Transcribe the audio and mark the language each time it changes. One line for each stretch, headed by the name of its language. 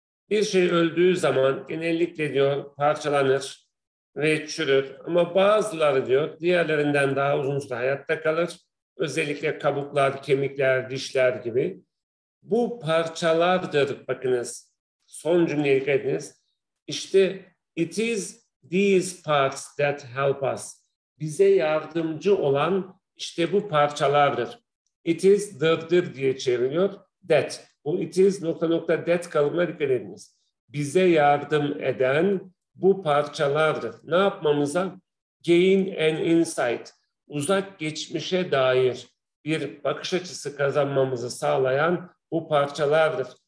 Turkish: Bir şey öldüğü zaman genellikle diyor parçalanır ve çürür. Ama bazıları diyor diğerlerinden daha uzun süre hayatta kalır. Özellikle kabuklar, kemikler, dişler gibi. Bu parçalardır bakınız. Son cümleye dikkat ediniz.
English: İşte it is these parts that help us.
Turkish: Bize yardımcı olan işte bu parçalardır. It is the'dır diye çeviriyor. That. Bu it is nokta nokta that kalıbına dikkat ediniz. Bize yardım eden bu parçalardır. Ne yapmamıza? Gain an insight. Uzak geçmişe dair bir bakış açısı kazanmamızı sağlayan bu parçalardır.